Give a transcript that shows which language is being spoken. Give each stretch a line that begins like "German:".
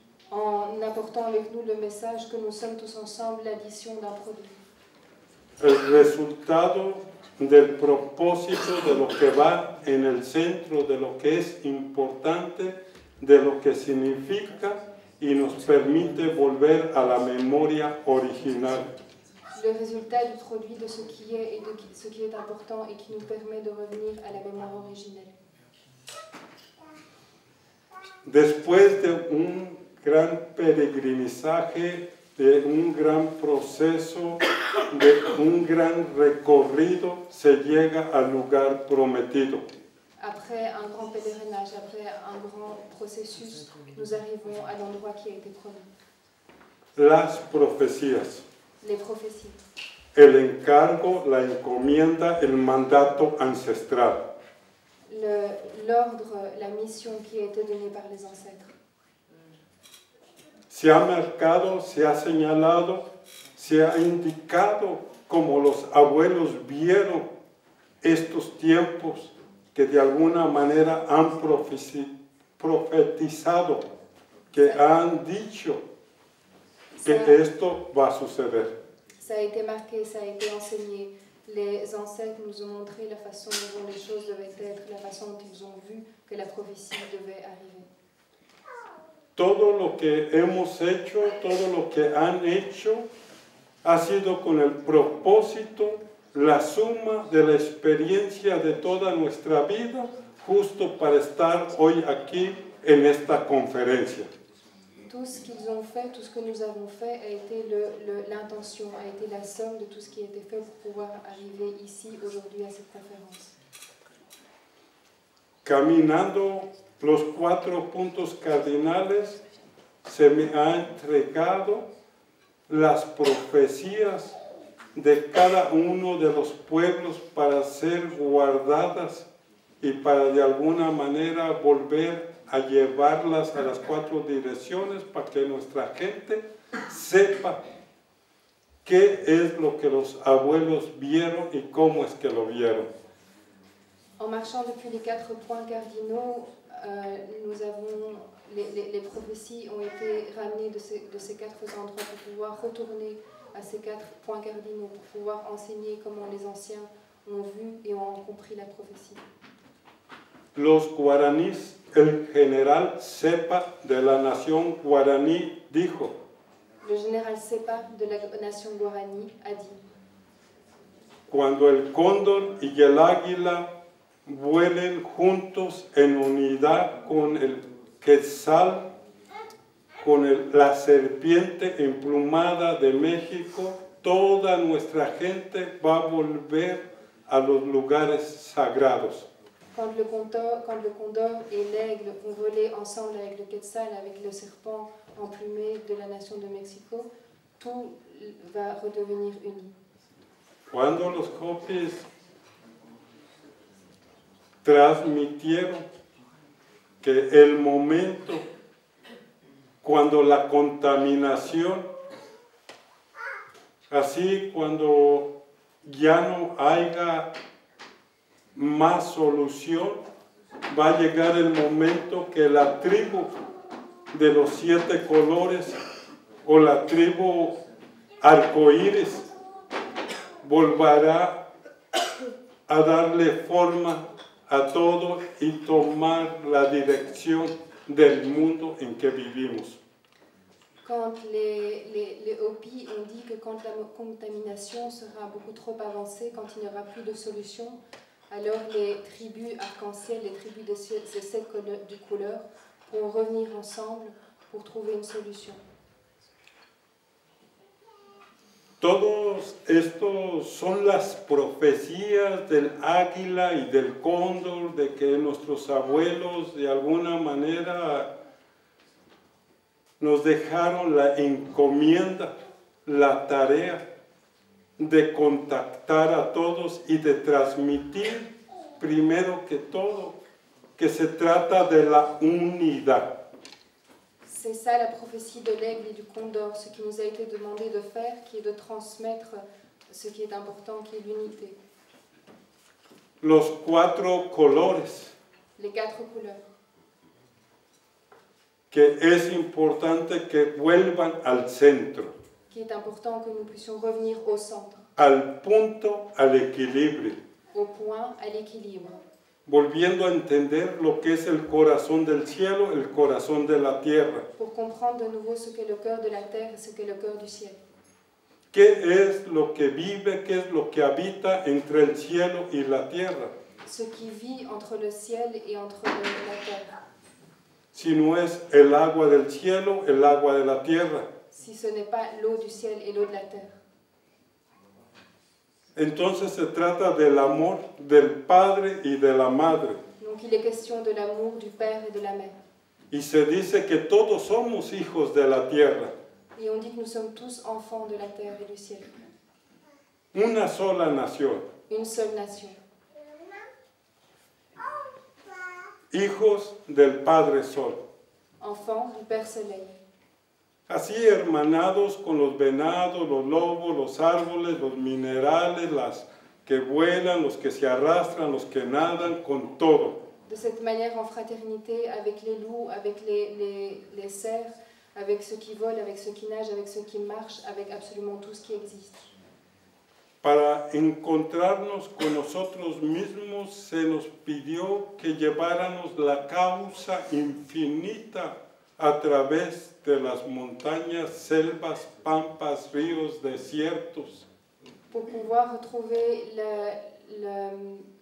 French: En apportant avec nous le message que nous sommes tous ensemble l'addition d'un produit.
Spanish: El resultado del propósito de lo que va en el centro, de lo que es importante, de lo que significa y nos permite volver a la memoria original.
French: Le résultat du produit de ce qui est et de ce qui est important et qui nous permet de revenir à la mémoire originelle.
Spanish: Después de un gran peregrinizaje, de un gran proceso, de un gran recorrido, se llega al lugar prometido.
French: Après un grand pèlerinage, après un grand processus, nous arrivons à l'endroit qui a été promis.
Spanish: Las profecías.
French: Les prophéties.
Spanish: El encargo, la encomienda, el mandato ancestral.
French: L'ordre, la mission qui a été donnée par les ancêtres.
Spanish: Se ha marcado, se ha señalado, se ha indicado como los abuelos vieron estos tiempos que de alguna manera han profetizado, que han dicho que esto va a suceder.
French: Ça a été marqué, ça a été enseigné. Les ancêtres nous ont montré la façon dont les choses devaient être, la façon dont ils ont vu que la prophétie devait arriver.
Spanish: Todo lo que hemos hecho, todo lo que han hecho, ha sido con el propósito, la suma de la experiencia de toda nuestra vida, justo para estar hoy aquí en esta conferencia.
French: Tout ce qu'ils ont fait, tout ce que nous avons fait, a été l'intention, a été la somme de tout ce qui a été fait pour pouvoir arriver ici aujourd'hui à cette conférence.
Spanish: Caminando los cuatro puntos cardinales, se me ha entregado las profecías de cada uno de los pueblos para ser guardadas y para de alguna manera volver a llevarlas a las cuatro direcciones para que nuestra gente sepa qué es lo que los abuelos vieron y cómo es que lo vieron.
French: En marchant depuis les quatre points cardinaux, nous avons les prophéties ont été ramenées de ces quatre endroits pour pouvoir retourner à ces quatre points cardinaux, pour pouvoir enseigner comment les anciens ont vu et ont compris la prophétie.
Spanish: Los guaraníes, el general Sepa de la nación guaraní dijo.
French: Le général Sepa
Spanish: de la nación guaraní
French: a dit.
Spanish: Cuando el cóndor y el águila vuelen juntos en unidad con el quetzal, con el, la serpiente emplumada de México, toda nuestra gente va a volver a los lugares sagrados.
French: Quand le condor et l'aigle vont voler ensemble avec le quetzal, avec le serpent emplumé de la nation de Mexico, tout va redevenir uni.
Spanish: Cuando los copies transmitieron que el momento cuando la contaminación, así cuando ya no haya más solución, va a llegar el momento que la tribu de los siete colores o la tribu arcoíris volverá a darle forma a todo y tomar la dirección del mundo en que vivimos.
French: Quand les Hopis ont dit que quand la contamination sera beaucoup trop avancée, quand il n'y aura plus de solution, alors les tribus arc-en-ciel, les tribus de sept couleurs pourront revenir ensemble pour trouver une solution.
Spanish: Todos estos son las profecías del águila y del cóndor, de que nuestros abuelos de alguna manera nos dejaron la encomienda, la tarea de contactar a todos y de transmitir primero que todo que se trata de la unidad.
French: C'est ça la prophétie de l'aigle et du condor, ce qui nous a été demandé de faire, qui est de transmettre ce qui est important, qui est l'unité.
Spanish: Los cuatro colores.
French: Les quatre couleurs.
Spanish: Que es importante que vuelvan al centro.
French: Qui est important que nous puissions revenir au centre.
Spanish: Al punto, al equilibrio.
French: Au point, à l'équilibre.
Spanish: Volviendo a entender lo que es el corazón del cielo, el corazón de la tierra.
French: Pour comprendre de nouveau ce qu'est le cœur de la terre, ce qu'est le cœur du ciel.
Spanish: ¿Qué es lo que vive, qué es lo que habita entre el cielo y la tierra?
French: Ce qui vit entre le ciel et entre la terre.
Spanish: Si no es el agua del cielo, el agua de la tierra.
French: Si ce n'est pas l'eau du ciel et l'eau de la terre.
Spanish: Entonces se trata del amor del padre y de la madre.
French: Donc il est question de l'amour du père et de la mère.
Spanish: Y se dice que todos somos hijos de la tierra.
French: Et on dit que nous sommes tous enfants de la terre et du ciel.
Spanish: Una sola nación.
French: Une seule nation.
Spanish: Hijos del padre sol.
French: Enfants du père soleil.
Spanish: Así hermanados con los venados, los lobos, los árboles, los minerales, las que vuelan, los que se arrastran, los que nadan, con todo.
French: De cette manière en fraternité avec les loups, avec les cerfs, avec ceux qui volent, avec ceux qui nagent, avec ceux qui marchent, avec absolument tout ce qui existe.
Spanish: Para encontrarnos con nosotros mismos se nos pidió que lleváramos la causa infinita a través de las montañas, selvas, pampas, ríos, desiertos.
French: Pour pouvoir retrouver le